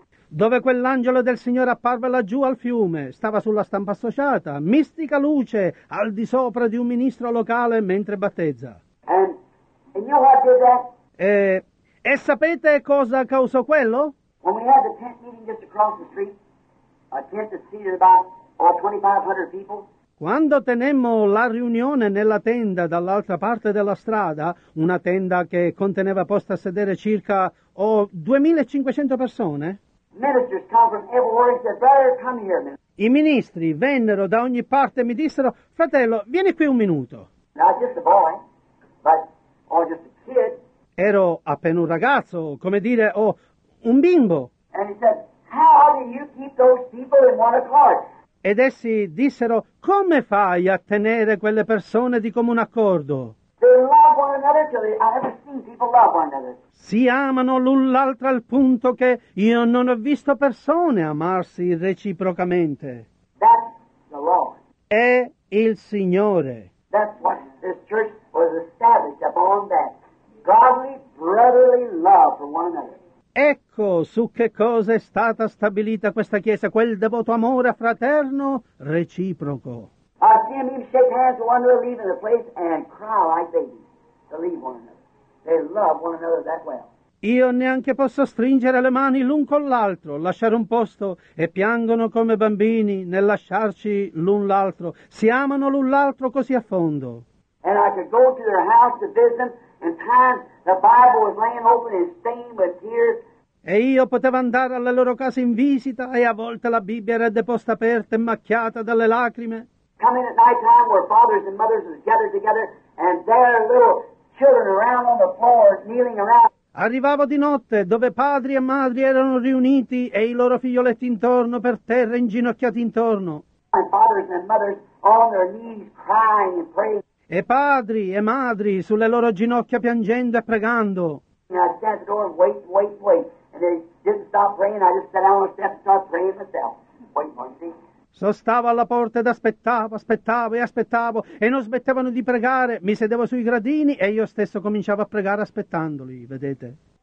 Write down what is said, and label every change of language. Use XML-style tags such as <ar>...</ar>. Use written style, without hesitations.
<it>Dove quell'angelo del Signore apparve laggiù al fiume, stava sulla stampa associata, mistica luce, al di sopra di un ministro locale mentre battezza.</it> <en>And you know what did that?</en> <it>E sapete cosa causò quello?</it> <en>When we had the tent meeting just across the street, a tent that seated about 2,500 people.</en> <it>Quando tenemmo la riunione nella tenda dall'altra parte della strada, una tenda che conteneva posto a sedere circa 2,500 persone.</it> <en>Ministers come from everywhere and said, "Brother, come here a minute."</en> <it>I ministri vennero da ogni parte e mi dissero, "Fratello, vieni qui un minuto."</it> <en>Not just a boy, but or just a kid.</en> <it>Ero appena un ragazzo, come dire, o un bimbo.</it> <en>And he said, "How do you keep those people in one accord?"</en> <it>Ed essi dissero, "Come fai a tenere quelle persone di comune accordo?"</it> <en>They love one another till I've never seen people love one another.</en> <it>Si amano l'un l'altro al punto che io non ho visto persone amarsi reciprocamente.</it> <en>That's the Lord.</en> <it>È il Signore.</it> <en>That's what this church was established upon, that godly, brotherly love for one another.</en> <it>Ecco su che cosa è stata stabilita questa chiesa, quel devoto amore fraterno reciproco.</it> <en>I see them even shake hands with one another leaving the place and cry like babies to leave one another. They love one another that well.</en> <it>Io neanche posso stringere le mani l'un con l'altro, lasciare un posto, e piangono come bambini nel lasciarci l'un l'altro. Si amano l'un l'altro così a fondo.</it> <en>And I could go to their house to visit them, and times the Bible was laying open and stained with tears.</en> <it>E io potevo andare alla loro casa in visita, e a volte la Bibbia era deposta aperta e macchiata dalle lacrime.</it> <en>Come in at night time where fathers and mothers were gathered together, and their little children around on the floor kneeling around.</en> <it>Arrivavo di notte dove padri e madri erano riuniti e i loro figlioletti intorno per terra inginocchiati intorno.</it> <en>And fathers and mothers on their knees crying and praying.</en> <it>E padri e madri sulle loro ginocchia piangendo e pregando.</it> <en>And I sat at the door and wait. And they didn't stop praying. I just sat down on the step and started praying myself.</en> <it>Sostavo alla porta ed aspettavo, e non smettevano di pregare. Mi sedevo sui gradini e io stesso cominciavo a pregare aspettandoli, vedete?</it>